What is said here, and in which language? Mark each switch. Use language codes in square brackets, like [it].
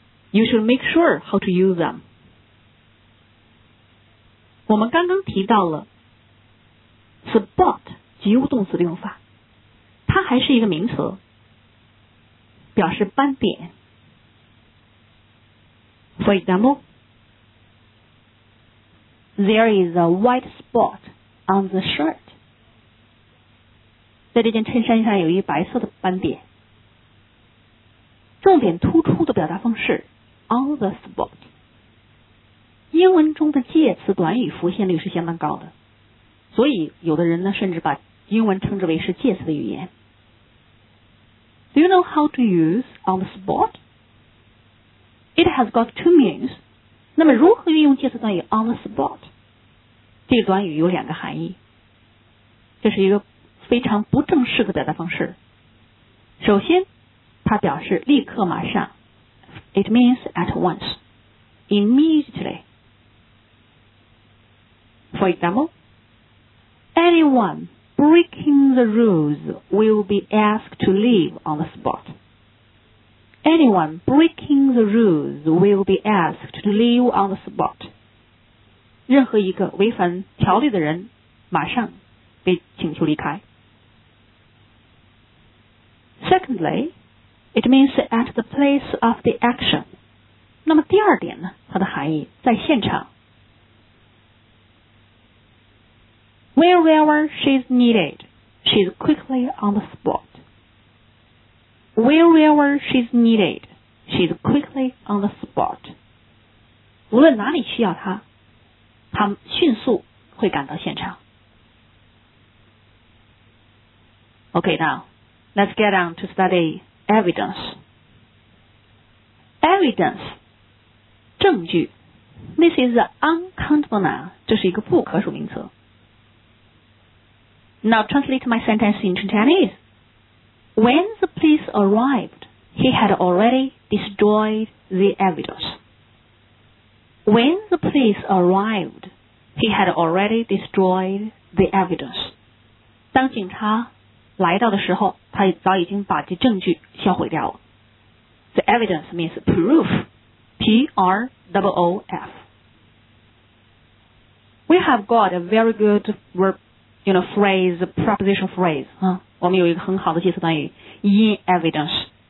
[en] You should make sure how to use them. [zh] 我们刚刚提到了 spot, 及物动词的用法，它还是一个名词。表示斑点。 [en] For example, there is a white spot on the shirt. [zh] 在这件衬衫上有一白色的斑点。重点突出的表达方式 on the spot. 英文中的介词短语浮现率是相当高的，所以有的人呢甚至把英文称之为是介词的语言。 [en] Do you know how to use on the spot? It has got two meanings. [zh] 那么如何运用介词短语 on the spot? 这个短语有两个含义。这是一个非常不正式的表达方式。首先它表示立刻马上。 [en] It means at once. Immediately. For example, anyone breaking the rules will be asked to leave on the spot. Anyone breaking the rules will be asked to leave on the spot. [zh] 任何一个违反条例的人马上被请求离开。 [en] Secondly, it means at the place of the action. [zh] 那么第二点呢，它的含义在现场。 [en] Wherever she's needed, she's quickly on the spot. Wherever she's needed, she's quickly on the spot. [zh] 无论哪里需要她，她迅速会赶到现场。 [en] Okay, now, let's get on to study evidence. Evidence, 证据。This is an uncountable noun, [zh] 这是一个不可数名词。 [en] Now translate my sentence into Chinese. When the police arrived, he had already destroyed the evidence. When the police arrived, he had already destroyed the evidence. [zh] 当警察来到的时候，他早已经把这证据销毁掉了。 [en] The evidence means proof. P-R-O-O-F. We have got a very good verb. You know, phrase, preposition phrase.、 [zh] 我们有一个很好的介词短语 [en] in evidence.